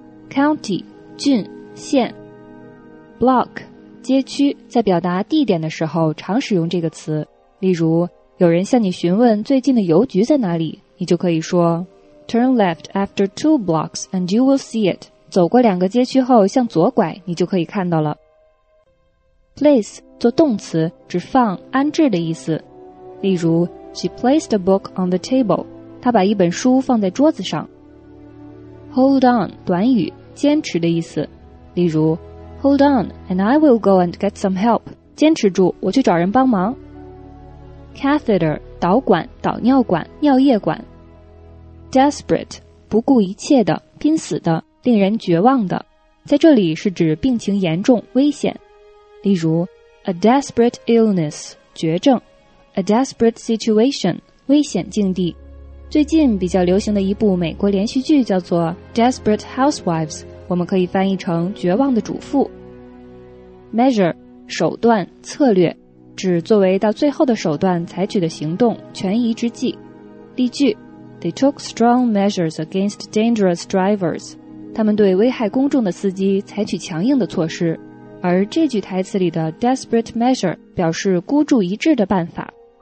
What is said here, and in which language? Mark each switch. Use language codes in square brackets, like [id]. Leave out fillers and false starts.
[zh] County 郡、县。Block, 街区，在表达地点的时候常使用这个词。例如，有人向你询问最近的邮局在哪里，你就可以说 [en] Turn left after two blocks and you will see it. [zh] 走过两个街区后向左拐，你就可以看到了。 Place, 做动词，指放、安置的意思。例如 [en] She placed a book on the table. [zh] 她把一本书放在桌子上。 Hold on, 短语，坚持的意思。例如 [en] Hold on, and I will go and get some help. [zh] 坚持住，我去找人帮忙。Catheter, 导管、导尿管、尿液管。 Desperate, 不顾一切的、拼死的、令人绝望的。在这里是指病情严重、危险。例如 , [en] a desperate illness, [zh] 绝症。 [en] A desperate situation, [zh] 危险境地。最近比较流行的一部美国连续剧叫做 Desperate Housewives,我们可以翻译成绝望的主妇。 Measure, 手段、策略，指作为到最后的手段采取的行动、权宜之计。例句 [en] They took strong measures against dangerous drivers. [zh] 他们对危害公众的司机采取强硬的措施。而这句台词里的 [en] desperate measure [zh] 表示孤注一掷的办法。